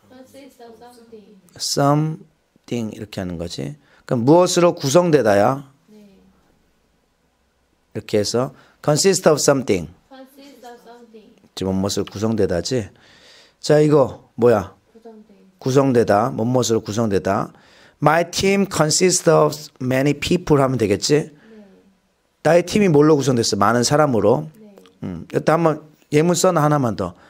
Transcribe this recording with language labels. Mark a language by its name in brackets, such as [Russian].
[English] consist of something. [Korean] something 이렇게 하는 거지. 그럼 무엇으로 구성되다야? 네. 이렇게 해서 [English] consist of something. consist of something. [Korean] 지금 뭣뭣으로 구성되다지. 자, 이거 뭐야? 구성되다. 뭣뭣으로 구성되다. [English] My team consists of many people [Korean] 하면 되겠지? 네. 나의 팀이 뭘로 구성됐어? 많은 사람으로. 네. 일단 한번 예문 써놔 하나만 더.